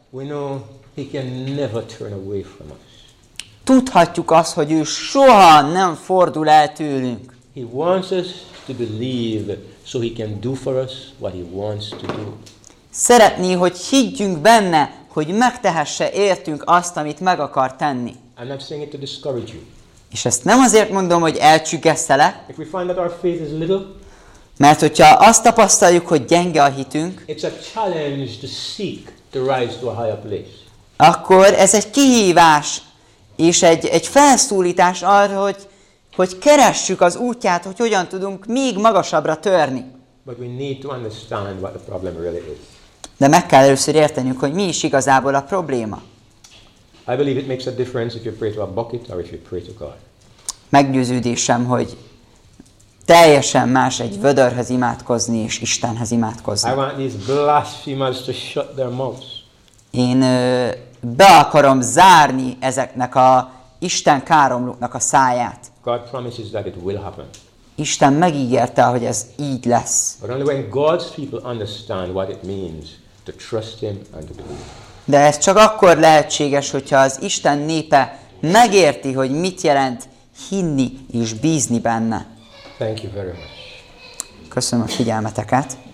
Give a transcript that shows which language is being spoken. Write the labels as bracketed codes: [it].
[en] We know he can never turn away from us. [hu] Tudhatjuk azt, hogy ő soha nem fordul el tőlünk. [en] He wants us to believe so he can do for us what he wants to do. [hu] Szeretné, hogy higgyünk benne, hogy megtehesse értünk azt, amit meg akar tenni. [en] I'm not saying it to discourage you. [hu] És ezt nem azért mondom, hogy elcsüggesszelek. [en] If we find that our faith is little, [hu] mert hogyha azt tapasztaljuk, hogy gyenge a hitünk, [en] it's a challenge to seek to rise to a higher place. [hu] Akkor ez egy kihívás és egy felszólítás arra, hogy keressük az útját, hogy hogyan tudunk még magasabbra törni. [en] But we need to understand what the problem really is. [hu] De meg kell először értenünk, hogy mi is igazából a probléma. [en] I believe it makes a difference if you pray to a bucket or if you pray to God. [hu] Meggyőződésem, hogy teljesen más egy vödörhöz imádkozni és Istenhez imádkozni. [en] I want these blasphemers to shut their mouths. [hu] Én be akarom zárni ezeknek a Isten káromlóknak a száját. [en] God promises that it will happen. [hu] Isten megígérte, hogy ez így lesz. [en] But only when God's people understand what it means to trust him and to believe. [hu] De ez csak akkor lehetséges, hogyha az Isten népe megérti, hogy mit jelent hinni és bízni benne. [en] Thank you very much. [hu] Köszönöm a figyelmeteket.